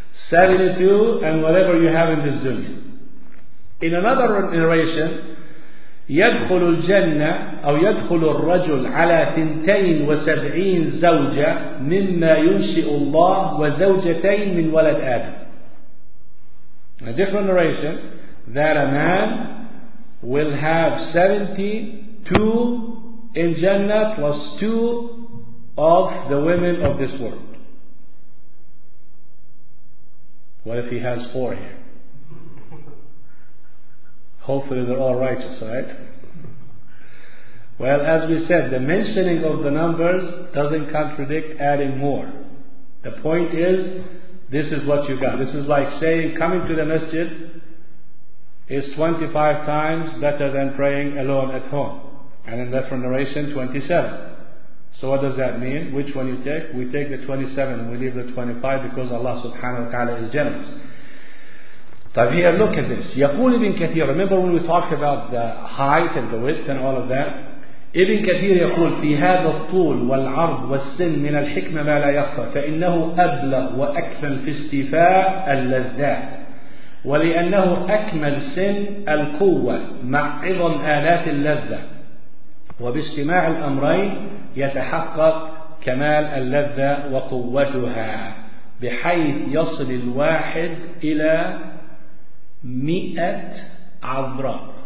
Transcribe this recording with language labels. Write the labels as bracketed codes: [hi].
[en] 72 and whatever you have in this dunya. In another narration, [ar] يدخل الجنة أو يدخل الرجل على 72 زوجة مما ينشئ الله وزوجتين من ولد آدم. [en] A different narration that a man will have 72 in Jannah plus two of the women of this world. What if he has four here? Hopefully they're all righteous, right? Well, as we said, the mentioning of the numbers doesn't contradict adding more. The point is, this is what you got. This is like saying coming to the masjid is 25 times better than praying alone at home. And in that narration, 27. So what does that mean? Which one you take? We take the 27 and we leave the 25 because Allah subhanahu wa ta'ala is generous. So here, look at this. [ar] يقول ابن كثير. [en] Remember when we talked about the height and the width and all of that? [ar] ابن كثير يقول في هذا الطول والعرض والسن من الحكمة ما لا يخفى فإنه أبلغ وأكمل في استيفاء اللذات ولأنه أكمل سن القوة مع عظم آلات اللذة وباجتماع الأمرين يتحقق كمال اللذة وقوتها بحيث يصل الواحد إلى 100 عذراء.